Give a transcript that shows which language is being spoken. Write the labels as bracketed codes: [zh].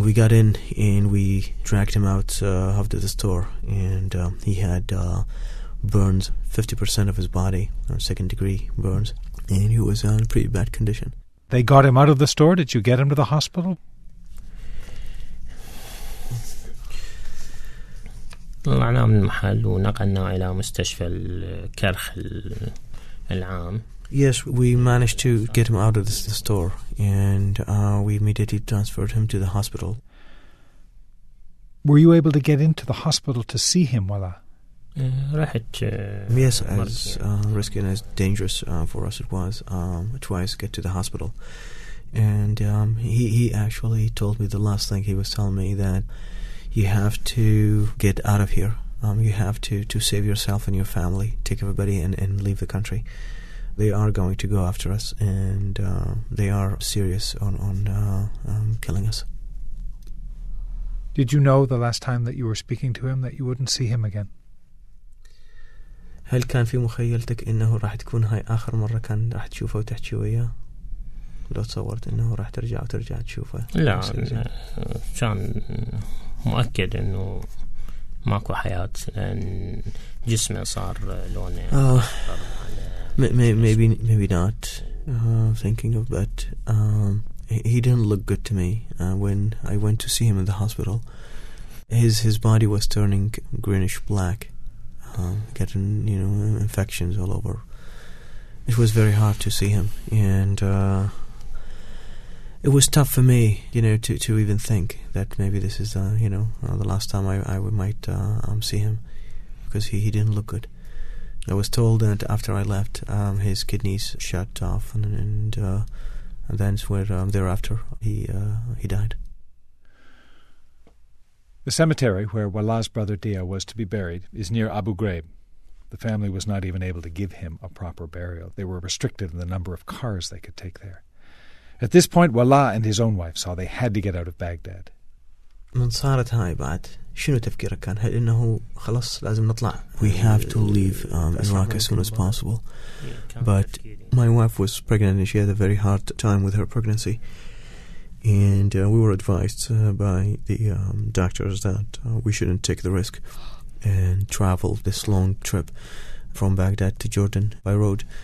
[en] We got in and we dragged him out of the store, and he had burns, 50% of his body, second degree burns, and he was in pretty bad condition. They got him out of the store? Did you get him to the hospital? [ar] طلعنا من المحل ونقلنا إلى مستشفى الكرخ العام. [en] Yes, we managed to get him out of the store, and we immediately transferred him to the hospital. Were you able to get into the hospital to see him, [ar] ولا؟ رحت. [en] Yes, as risky and as dangerous for us it was, twice get to the hospital, and he actually told me the last thing he was telling me that. You have to get out of here. You have to save yourself and your family. Take everybody and leave the country. They are going to go after us, and they are serious on killing us. Did you know the last time that you were speaking to him that you wouldn't see him again? [ar] هل كان في مخيلتك إنه راح تكون هاي آخر مرة كان راح تشوفه وتحكي وياه؟ لو تصورت إنه راح ترجع وترجع تشوفه؟ لا، كان مؤكد إنه ماكو حياة لأن جسمه صار لونه. [en] Maybe not thinking of, but he didn't look good to me when I went to see him in the hospital. His body was turning greenish black, getting, you know, infections all over. It was very hard to see him, and it was tough for me, you know, to even think that maybe this is, you know, the last time I might see him, because he didn't look good. I was told that after I left, his kidneys shut off, and then thereafter, he died. The cemetery where Wala's brother Dia was to be buried is near Abu Ghraib. The family was not even able to give him a proper burial. They were restricted in the number of cars they could take there. At this point, Wala and his own wife saw they had to get out of Baghdad. [ar] من صارت هاي بعد شنو تفكيرك كان هل إنه خلاص لازم نطلع؟ [en] We have to leave Iraq as soon as possible. But my wife was pregnant and she had a very hard time with her pregnancy. And we were advised by the doctors that we shouldn't take the risk and travel this long trip from Baghdad to Jordan by road.